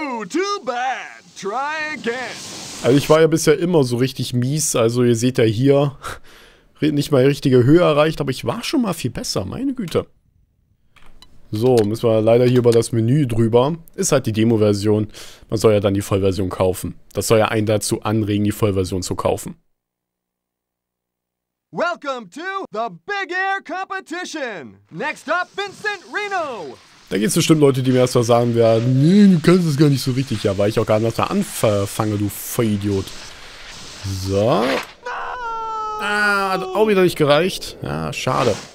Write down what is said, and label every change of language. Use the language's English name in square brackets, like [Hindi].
[English] Too bad. Try again. [German] Also ich war ja bisher immer so richtig mies, also ihr seht ja hier, nicht mal die richtige Höhe erreicht, aber ich war schon mal viel besser, meine Güte. So, müssen wir leider hier über das Menü drüber. Ist halt die Demo-Version, man soll ja dann die Vollversion kaufen. Das soll ja einen dazu anregen, die Vollversion zu kaufen. [English] Welcome to the Big Air Competition. Next up, Vincent Reno. [German] Da gibt es bestimmt Leute, die mir erst mal sagen werden, nee, du kannst das gar nicht so richtig. Ja, weil ich auch gar nicht erst mal anfange, du Vollidiot. So. Ah, hat auch wieder nicht gereicht. Ja, schade.